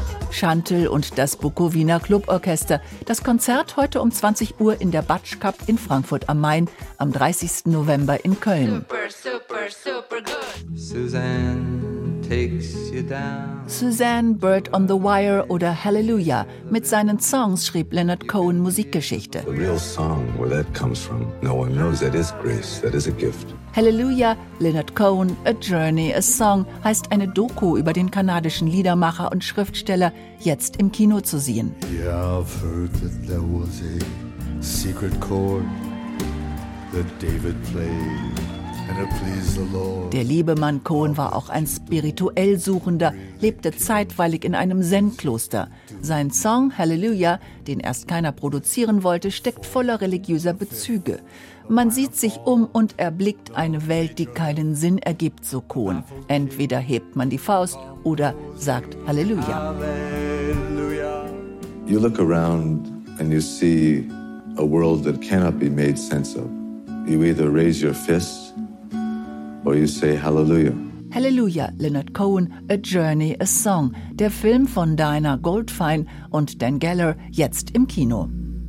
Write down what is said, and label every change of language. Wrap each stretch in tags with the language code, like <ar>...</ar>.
<de>Chantel und das Bukowina Club-Orchester. Das Konzert heute um 20 Uhr in der Batsch Cup in Frankfurt am Main, am 30. November in Köln.</de> <en>Super, super, super good. Suzanne takes you down. Suzanne, Bird on the Wire oder Hallelujah.</en> <de>Mit seinen Songs schrieb Leonard Cohen Musikgeschichte.</de> <en>The real song, where that comes from, no one knows, that is grace, that is a gift.</en> <de>Hallelujah, Leonard Cohen, A Journey, A Song, heißt eine Doku über den kanadischen Liedermacher und Schriftsteller, jetzt im Kino zu sehen.</de> <en>Yeah, I've heard that there was a secret chord that David played.</en> <de>Der liebe Mann Cohen war auch ein spirituell Suchender, lebte zeitweilig in einem Zen-Kloster. Sein Song Hallelujah, den erst keiner produzieren wollte, steckt voller religiöser Bezüge. Man sieht sich um und erblickt eine Welt, die keinen Sinn ergibt, so Cohen. Entweder hebt man die Faust oder sagt Hallelujah.</de> <en>You look around and you see a world that cannot be made sense of. You either raise your fist. Or you say Hallelujah.</en> <de>Hallelujah, Leonard Cohen, A Journey, A Song. Der Film von Dinah Goldfein und Dan Geller, jetzt im Kino.</de>